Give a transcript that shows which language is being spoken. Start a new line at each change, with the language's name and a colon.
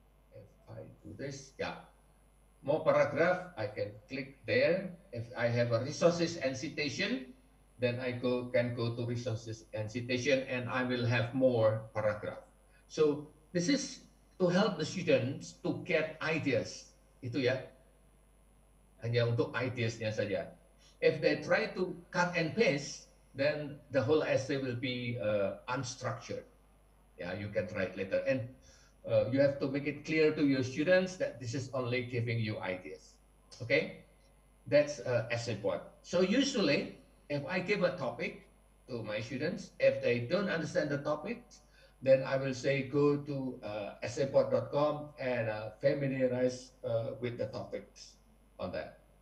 English: If I do this, yeah, more paragraph, I can click there. If I have a resources and citation, then I can go to resources and citation, and I will have more paragraph. So this is to help the students to get ideas.
Indonesian: Itu ya, hanya untuk ideasnya saja.
English: If they try to cut and paste, then the whole essay will be unstructured. Yeah, you can write later, and you have to make it clear to your students that this is only giving you ideas. Okay, that's essay board. So usually, if I give a topic to my students, if they don't understand the topic, then I will say go to essayport.com and familiarize with the topics. on that.